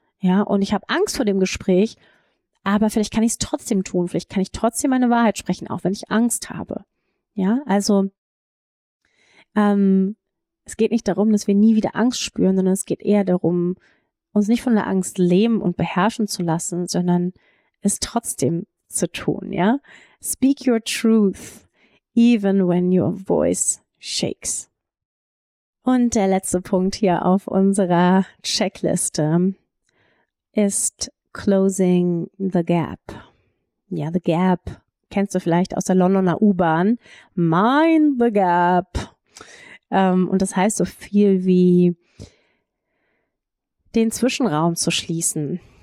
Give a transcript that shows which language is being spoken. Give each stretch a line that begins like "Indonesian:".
German: Ja, und ich habe Angst vor dem Gespräch, aber vielleicht kann ich es trotzdem tun, vielleicht kann ich trotzdem meine Wahrheit sprechen, auch wenn ich Angst habe. Ja, also es geht nicht darum, dass wir nie wieder Angst spüren, sondern es geht eher darum, uns nicht von der Angst lähmen und beherrschen zu lassen, sondern es trotzdem zu tun, ja.
English: Speak your truth, even when your voice shakes.
German: Und der letzte Punkt hier auf unserer Checkliste ist
English: closing the gap.
German: Ja,
English: the gap.
German: Kennst du vielleicht aus der Londoner U-Bahn?
English: Mind the gap.
German: Und das heißt so viel wie den Zwischenraum zu schließen.